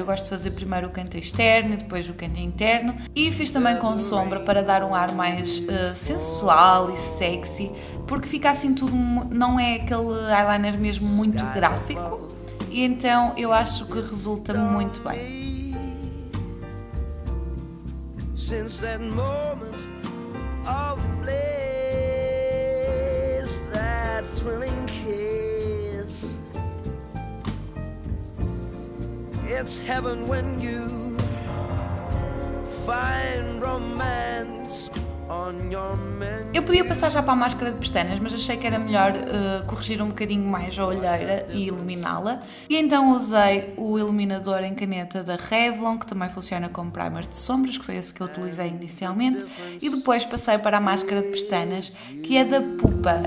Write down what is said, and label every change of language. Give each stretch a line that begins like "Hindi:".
Portuguese: Eu gosto de fazer primeiro o canto externo e depois o canto interno. E fiz também com sombra para dar um ar mais sensual e sexy, porque fica assim tudo, não é aquele eyeliner mesmo muito gráfico. E então eu acho que resulta muito bem.
English: Since that moment of bliss, that thrilling kiss, it's heaven when you find romance on your menu.
Portuguese: Eu podia passar já para a máscara de pestanas, mas achei que era melhor corrigir um bocadinho mais a olheira e iluminá-la. E então usei o iluminador em caneta da Revlon, que também funciona como primer de sombras, que foi esse que eu utilizei inicialmente. E depois passei para a máscara de pestanas, que é da Pupa.